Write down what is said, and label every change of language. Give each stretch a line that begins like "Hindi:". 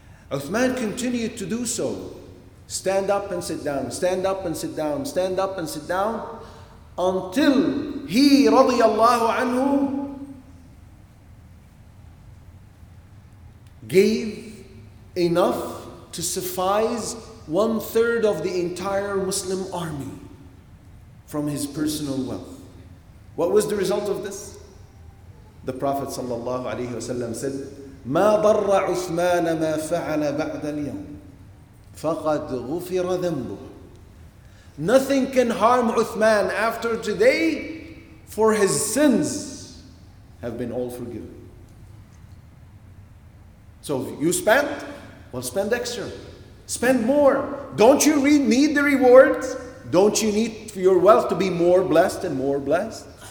English: Uthman continued to do so. Stand up and sit down, stand up and sit down, stand up and sit down, until he, radiyallahu anhu, gave enough to suffice one third of the entire Muslim army from his personal wealth. What was the result of this? The Prophet sallallahu alayhi wasallam said,
Arabic: مَا ضَرَّ عُثْمَانَ مَا فَعَلَ بَعْدَ الْيَوْمِ فَقَدْ غُفِرَ ذَنْبُهُ.
English: Nothing can harm Uthman after today, for his sins have been all forgiven. So you spent? Well, spend extra. Spend more. Don't you need the rewards? Don't you need your wealth to be more blessed and more blessed?